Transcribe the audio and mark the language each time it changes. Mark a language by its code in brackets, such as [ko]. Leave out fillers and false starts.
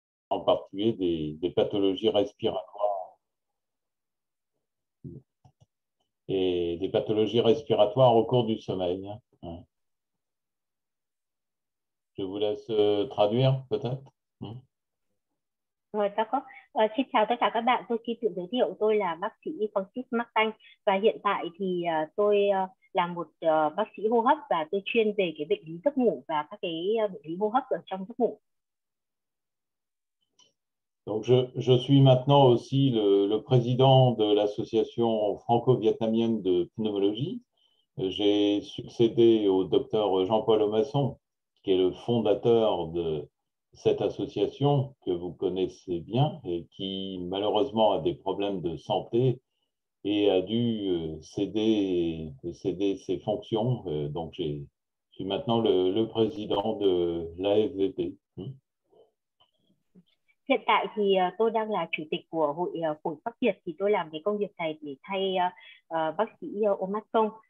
[fr] en particulier des pathologies respiratoires. Et des pathologies respiratoires au cours du sommeil. Je vous laisse traduire, peut-être. [vi] Rồi, xin chào tất cả các bạn. Tôi xin tự giới thiệu, tôi là bác sĩ Francis Mắc Tanh và hiện tại thì tôi là một bác sĩ hô hấp và tôi chuyên về cái bệnh lý giấc ngủ và các cái bệnh lý hô hấp ở trong giấc ngủ. [fr] Donc je suis maintenant aussi le président de l'association franco-vietnamienne de pneumologie. J'ai succédé au docteur Jean-Paul Omasson, qui est le fondateur de cette association que vous connaissez bien et qui malheureusement a des problèmes de santé et a dû céder ses fonctions. Donc je suis maintenant le président de l'AFVP. [vi] Hiện tại thì tôi đang là chủ tịch của Hội Phổi Bắc Việt, thì tôi làm cái công việc này để thay bác sĩ Omasong.